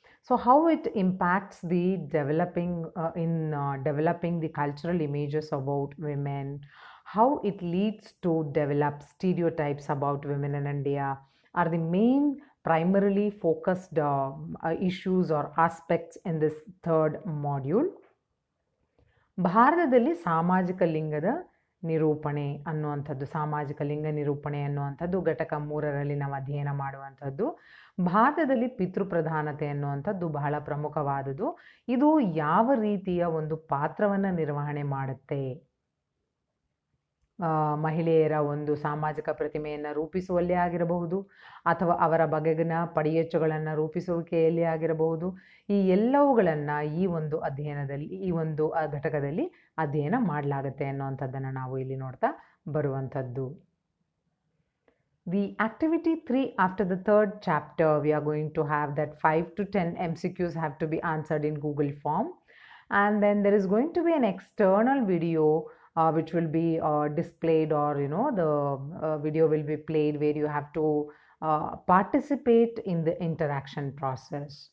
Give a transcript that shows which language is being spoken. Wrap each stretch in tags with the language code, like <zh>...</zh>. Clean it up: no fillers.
<en>So how it impacts the developing developing the cultural images about women, how it leads to develop stereotypes about women in India are the main primarily focused issues or aspects in this third module.</en> <kn>Bharatadalli samajika lingada ನಿರೂಪಣೆ ಅನ್ನುವಂಥದ್ದು, ಸಾಮಾಜಿಕ ಲಿಂಗ ನಿರೂಪಣೆ ಅನ್ನುವಂಥದ್ದು ಘಟಕ 3ರಲ್ಲಿ ನಾವು ಅಧ್ಯಯನ ಮಾಡುವಂಥದ್ದು. ಭಾರತದಲ್ಲಿ ಪಿತೃಪ್ರಧಾನತೆ ಅನ್ನುವಂಥದ್ದು ಬಹಳ ಪ್ರಮುಖವಾದುದು. ಇದು ಯಾವ ರೀತಿಯ ಒಂದು ಪಾತ್ರವನ್ನು ನಿರ್ವಹಣೆ ಮಾಡುತ್ತೆ, ಮಹಿಳೆಯರ ಒಂದು ಸಾಮಾಜಿಕ ಪ್ರತಿಮೆಯನ್ನು ರೂಪಿಸುವಲ್ಲೇ ಆಗಿರಬಹುದು ಅಥವಾ ಅವರ ಬಗೆಗಿನ ಪಡೆಯಚ್ಚುಗಳನ್ನು ರೂಪಿಸುವಿಕೆಯಲ್ಲಿ ಆಗಿರಬಹುದು, ಈ ಎಲ್ಲವುಗಳನ್ನು ಈ ಒಂದು ಅಧ್ಯಯನದಲ್ಲಿ, ಈ ಒಂದು ಘಟಕದಲ್ಲಿ ಅಧ್ಯಯನ ಮಾಡಲಾಗುತ್ತೆ ಅನ್ನೋಂಥದ್ದನ್ನು ನಾವು ಇಲ್ಲಿ ನೋಡ್ತಾ ಬರುವಂಥದ್ದು.</kn> <en>The activity 3 after the third chapter we are going to have that 5 to 10 MCQs have to be answered in Google form, and then there is going to be an external video which will be displayed, or the video will be played where you have to participate in the interaction process.</en>